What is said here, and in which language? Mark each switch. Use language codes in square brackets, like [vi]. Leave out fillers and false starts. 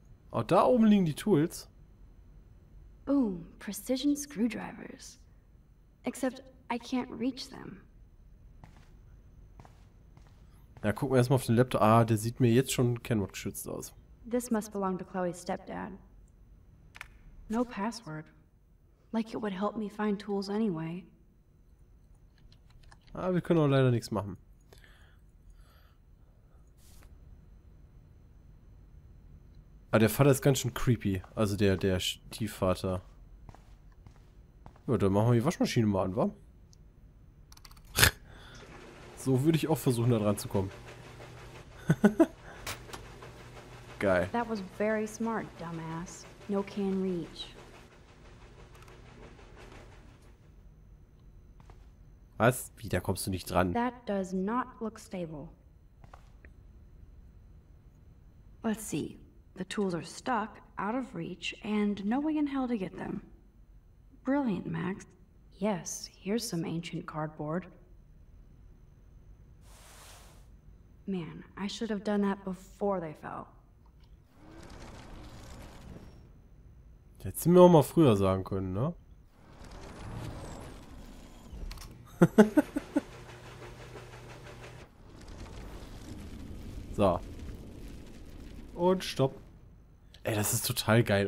[de] Oh, da oben liegen die Tools. [en] Boom, precision screwdrivers. Except I can't reach them. [de] Ja, gucken wir erstmal auf den Laptop. Ah, der sieht mir jetzt schon Kennwort geschützt aus. [en] This must belong to Chloe's stepdad. No password. Like it would help me find tools anyway. [de] Ah, wir können auch leider nichts machen. Ah, der Vater ist ganz schön creepy. Also der Stiefvater. Ja, dann machen wir die Waschmaschine mal an, wa? So würde ich auch versuchen, da dran zu kommen. Geil. [en] That was very smart, dumbass. No can reach. [de] Was? Wie, da kommst du nicht dran? [en] That does not look stable. Let's see. The tools are stuck, out of reach, and no way in hell to get them. Brilliant, Max. Yes, here's some ancient cardboard. Man, I should have done that before they fell. [de] Hättest du mir auch mal früher sagen können, ne? So. Und stopp. Ey, das ist total geil.